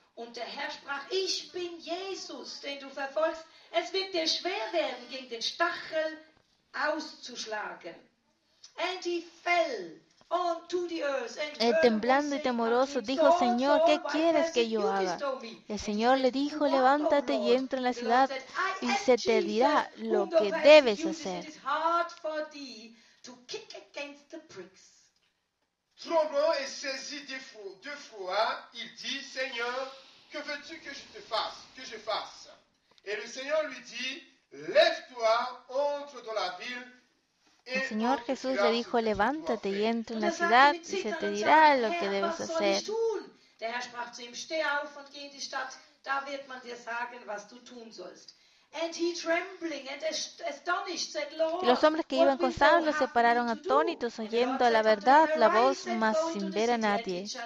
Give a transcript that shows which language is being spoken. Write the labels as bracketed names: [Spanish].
[German] Und der Herr sprach, ich bin Jesus, den du verfolgst. Es wird dir schwer werden, gegen den Stachel auszuschlagen. [English] And he fell onto the earth. [Spanish] El temblando y temoroso dijo, Señor, ¿qué quieres que yo haga? El Señor le dijo, levántate y entra en la ciudad y se te dirá lo que debes hacer. [English] It is hard for thee to kick against the pricks. [French] Tremblant et saisi deux fois, il dit, Seigneur, que veux-tu que je te fasse, que je fasse? Et le Seigneur lui dit, lève-toi, entre dans la ville. [Spanish] El Señor Jesús le dijo, levántate y entra en la ciudad y se te dirá lo que debes hacer. [German] Der Herr sprach zu ihm, steh auf und geh in die Stadt, da wird man dir sagen, was du tun sollst. [English] And he trembling and astonished said, Lord, [Spanish] y los hombres que iban con Saulo se pararon atónitos oyendo la verdad, la voz, mas sin ver a nadie.